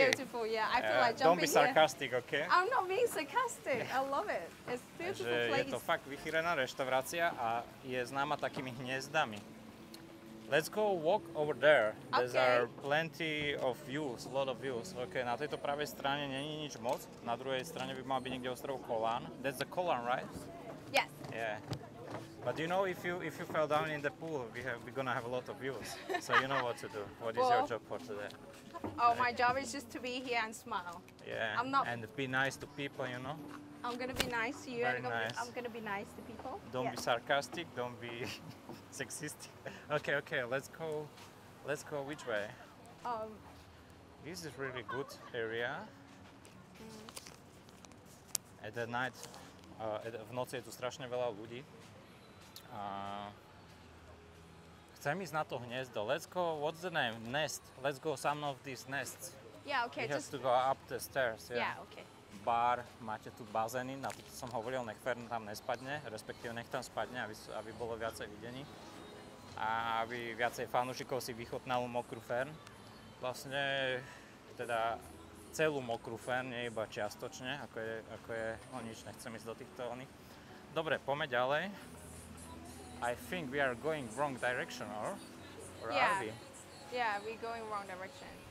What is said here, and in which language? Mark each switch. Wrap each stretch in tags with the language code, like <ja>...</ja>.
<en>It's beautiful. Yeah. I feel like jumping. Don't be sarcastic, okay? I'm not being sarcastic. I love it. It's beautiful place.</en> <sk>Je to fakt vychýrená reštaurácia a je známa takými hniezdami.</sk> <en>Let's go walk over there. There are plenty of views, a lot of views.</en> <sk>Okay, na tejto pravej strane není nič moc. Na druhej strane by mal byť niekde ostrov Kolan.</sk> <en>That's the Kolan, right? Yes. Yeah. But you know, if you fell down in the pool, we're gonna have a lot of views. So you know what to do. What is your job for today? Oh, my job is just to be here and smile. Yeah. I'm not. And be nice to people, you know. I'm gonna be nice to you. Very and nice. I'm gonna be nice to people. Don't be sarcastic. Don't be sexist. Okay. Let's go. Which way? This is really good area. Mm. At the night,</en> <sk>v noci je tu strašne veľa ľudí. Chcem ísť na to hniezdo.</sk> <en>Let's go, what's the name? Nest. Let's go some of these nests. Yeah, okay. We have to go up the stairs. Yeah, okay.</en> <sk>Bar, máte tu bazény, na to som hovoril, nech Fern tam nespadne, respektíve nech tam spadne, aby bolo viacej videní. A aby viacej fanúšikov si vychutnalo mokrú Fern. Vlastne, teda celú mokrú Fern, nie iba čiastočne, ako je, no nič, nechcem ísť do týchto oných. Dobre, poďme ďalej.</sk> <en>I think we are going wrong direction, or yeah. Are we? Yeah, we're going wrong direction.</en>